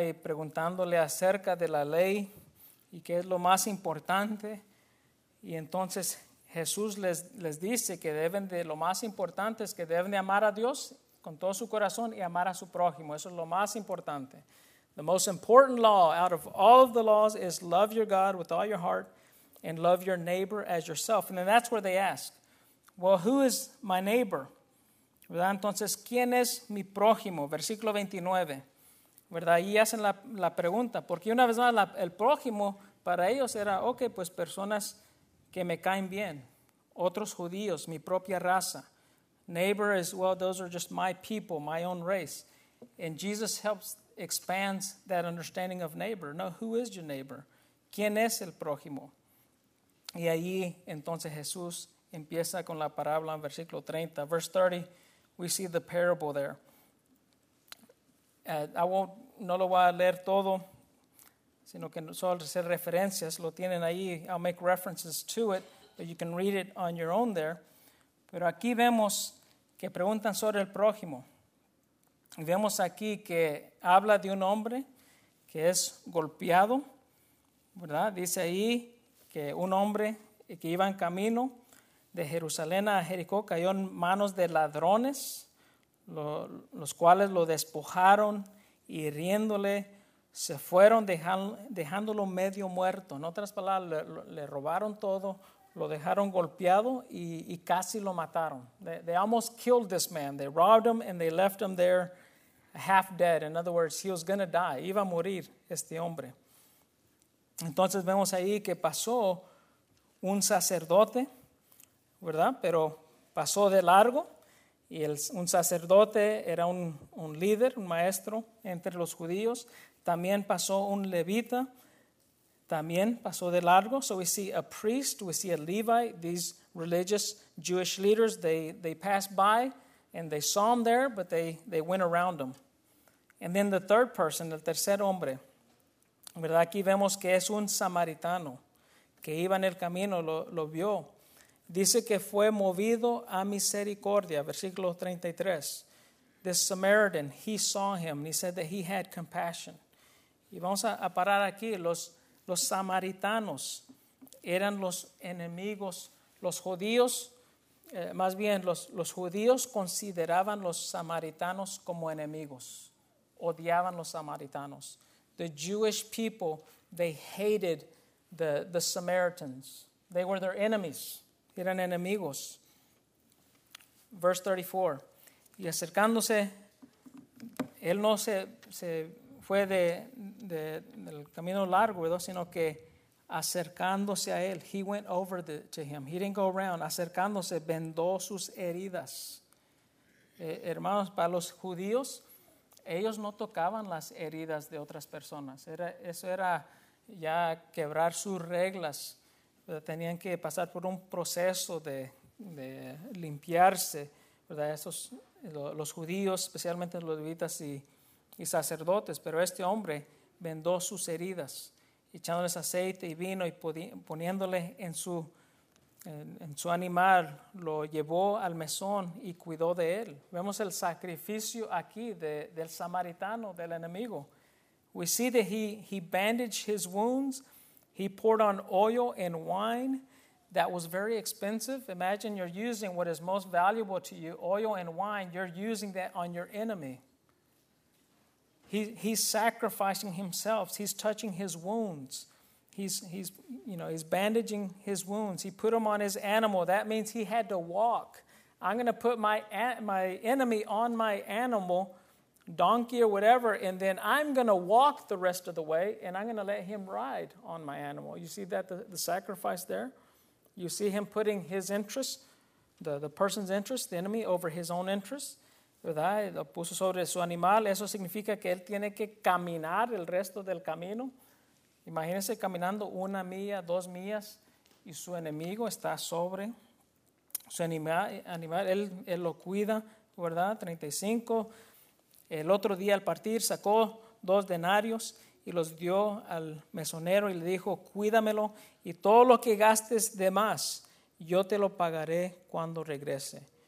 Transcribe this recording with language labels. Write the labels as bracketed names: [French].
[Spanish] Y preguntándole acerca de la ley y qué es lo más importante. Y entonces Jesús les dice que deben de, lo más importante es que deben de amar a Dios con todo su corazón y amar a su prójimo. Eso es lo más importante. [English] The most important law out of all of the laws is love your God with all your heart and love your neighbor as yourself. And then that's where they ask, well, who is my neighbor? [Spanish] ¿Verdad? Entonces, ¿quién es mi prójimo? Versículo 29. ¿Verdad? Y hacen la pregunta. Porque una vez más, el prójimo para ellos era, ok, pues personas que me caen bien. Otros judíos, mi propia raza. [English] Neighbor is, well, those are just my people, my own race. And Jesus expands that understanding of neighbor. No, who is your neighbor? [Spanish] ¿Quién es el prójimo? Y ahí, entonces, Jesús empieza con la parábola en versículo 30. [English] Verse 30, we see the parable there. [Spanish] No lo voy a leer todo, sino que solo hacer referencias. Lo tienen ahí. [English] I'll make references to it, but you can read it on your own there. [Spanish] Pero aquí vemos que preguntan sobre el prójimo. Vemos aquí que habla de un hombre que es golpeado, ¿verdad? Dice ahí que un hombre que iba en camino de Jerusalén a Jericó cayó en manos de ladrones, los cuales lo despojaron y riéndole se fueron dejándolo medio muerto. En otras palabras, le robaron todo, lo dejaron golpeado y casi lo mataron. [English] They almost killed this man. They robbed him and they left him there half dead. In other words, he was going to die. [Spanish] Iba a morir este hombre. Entonces vemos ahí que pasó un sacerdote, ¿verdad? Pero pasó de largo. Y un sacerdote era un líder, un maestro entre los judíos. También pasó un levita. También pasó de largo. [English] So we see a priest, we see a Levite. These religious Jewish leaders, they passed by and they saw him there, but they went around him. And then the third person, [Spanish] el tercer hombre, [English] ¿verdad? [Spanish] Aquí vemos que es un samaritano que iba en el camino, lo vio. Dice que fue movido a misericordia, versículo 33. [English] This Samaritan, he saw him, and he said that he had compassion. [Spanish] Y vamos a parar aquí. Los samaritanos eran los enemigos. Los judíos, más bien, los judíos consideraban los samaritanos como enemigos. Odiaban los samaritanos. [English] The Jewish people, they hated the Samaritans. They were their enemies. [Spanish] Eran enemigos. [English] Verse 34. [Spanish] Y acercándose, él no se fue del camino largo, ¿verdad? Sino que acercándose a él, [English] he went over to him. He didn't go around. [Spanish] Acercándose, vendó sus heridas. Hermanos, para los judíos, ellos no tocaban las heridas de otras personas. Eso era ya quebrar sus reglas. Tenían que pasar por un proceso de limpiarse, ¿verdad? Los judíos, especialmente los levitas y sacerdotes. Pero este hombre vendó sus heridas, echándoles aceite y vino y poniéndole en su animal, lo llevó al mesón y cuidó de él. Vemos el sacrificio aquí del samaritano, del enemigo. [English] We see that he bandaged his wounds. He poured on oil and wine that was very expensive. Imagine you're using what is most valuable to you, oil and wine. You're using that on your enemy. He's sacrificing himself. He's touching his wounds. he's you know, he's bandaging his wounds. He put him on his animal. That means he had to walk. I'm going to put my enemy on my animal, donkey or whatever, and then I'm going to walk the rest of the way, and I'm going to let him ride on my animal. You see that, the sacrifice there? You see him putting his interest, the person's interest, the enemy, over his own interest, ¿verdad? [Spanish] Lo puso sobre su animal. Eso significa que él tiene que caminar el resto del camino. Imagínese caminando una milla, dos millas, y su enemigo está sobre su animal. Él lo cuida, ¿verdad? 35. El otro día al partir sacó dos denarios y los dio al mesonero y le dijo, cuídamelo y todo lo que gastes de más, yo te lo pagaré cuando regrese.